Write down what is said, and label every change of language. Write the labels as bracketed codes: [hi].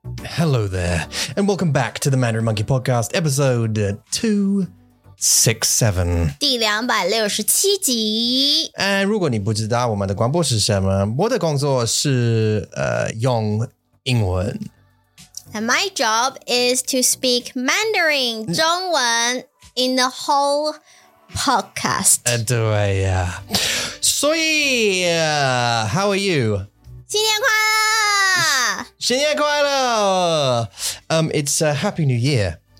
[en] Hello there, and welcome back to the Manor Monkey podcast, episode 267. [zh] 第267集。 And 如果你不知道我们的广播是什么，我的工作是用英文。 [en] And my job is to speak Mandarin, 中文 in the whole podcast. [zh] 对呀。所以 [en] how are you? [zh] 新年快乐！新年快乐！ [en] It's a happy new year.